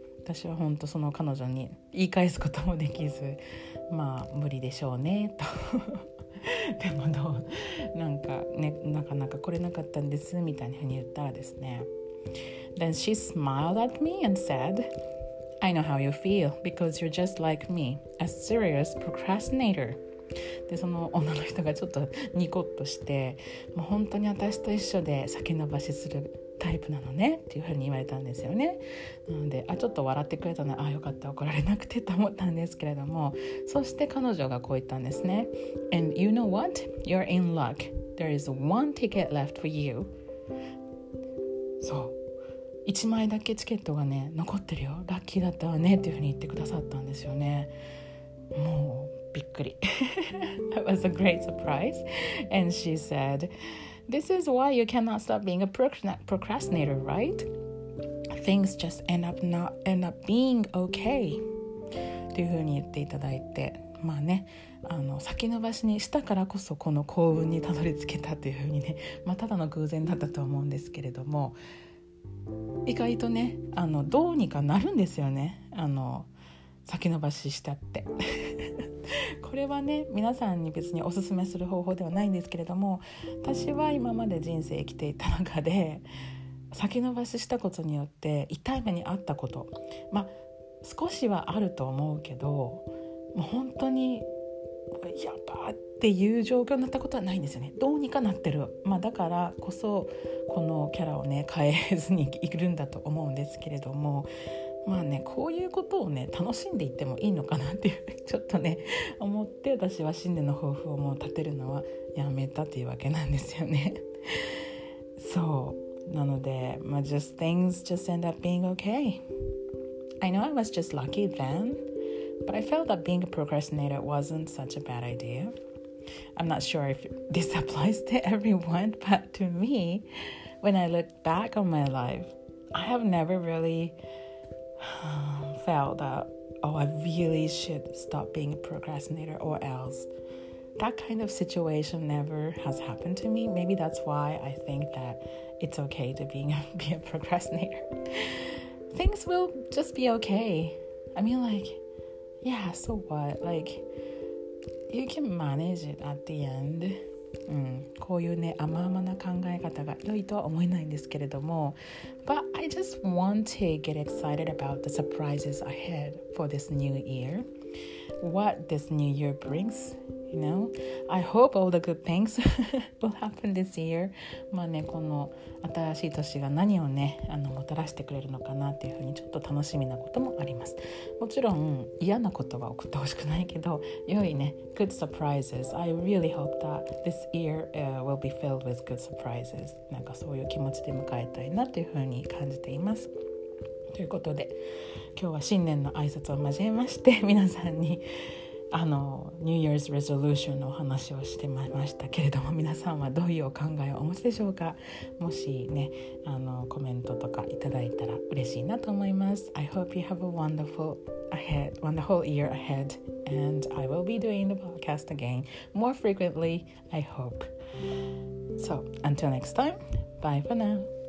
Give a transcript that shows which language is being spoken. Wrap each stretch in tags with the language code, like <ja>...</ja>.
<ja>私は本当その彼女に言い返すこともできず、まあ無理でしょうね、と。でもどう、なんかね、なかなか来れなかったんです、みたいなふうに言ったらですね。</ja> <en>Then she smiled at me and said,I know how you feel because you're just like me, a serious procrastinator.</en> <ja>で、その女の人がちょっとニコッとして、もう本当に私と一緒で先延ばしするタイプなのねっていうふうに言われたんですよね。なので、あ、ちょっと笑ってくれたね。あ、よかった、怒られなくてと思ったんですけれども、そして彼女がこう言ったんですね。</ja> <en>And you know what? You're in luck. There is one ticket left for you.</en> <ja>そう。 1枚だけチケットがね残ってるよラッキーだったわねっていうふうに言ってくださったんですよねもうびっくり</ja> <en>That was a great surprise And she said This is why you cannot stop being a procrastinator, right? Things just end up being okay</en> <ja>っていうふうに言っていただいてまあね先延ばしにしたからこそこの幸運にたどり着けたというふうにね、まあ、ただの偶然だったと思うんですけれども意外とねどうにかなるんですよね先延ばししたってこれはね皆さんに別におすすめする方法ではないんですけれども私は今まで人生生きていた中で先延ばししたことによって痛い目に遭ったことまあ少しはあると思うけどもう本当にやばっていう状況になったことはないんですよねどうにかなってる、まあ、だからこそこのキャラをね変えずにいるんだと思うんですけれどもまあねこういうことをね楽しんでいってもいいのかなっていうちょっとね思って私は新年の抱負をもう立てるのはやめたというわけなんですよねそうなので、まあ、</ja> <en>Just things just end up being okay I know I was just lucky thenBut I felt that being a procrastinator wasn't such a bad idea. I'm not sure if this applies to everyone, but to me, when I look back on my life, I have never really felt that, oh, I really should stop being a procrastinator or else. That kind of situation never has happened to me. Maybe that's why I think that it's okay to be a procrastinator. Things will just be okay. I mean, like... Yeah, so what? Like, you can manage it at the end.</en> <ja>こういうね、甘々な考え方が良いとは思えないんですけれども。</ja> <en>But I just want to get excited about the surprises ahead for this new year. What this new year brings You know, I hope all the good things will happen this year.</en> <ja>まあね、この新しい年が何をね、もたらしてくれるのかなっていうふうにちょっと楽しみなこともあります。もちろん嫌なことは送ってほしくないけど、良いね、</ja> <en>good surprises. I really hope that this year will be filled with good surprises.</en> <ja>なんかそういう気持ちで迎えたいなっていうふうに感じています。ということで、今日は新年の挨拶を交えまして皆さんに。 New Year's Resolution のお話をしてましたけれども、皆さんはどういうお考えをお持ちでしょうか。もしね、コメントとかいただいたら嬉しいなと思います。 I hope you have a wonderful year ahead and I will be doing the podcast again more frequently, I hope. So, until next time, bye for now.</ja>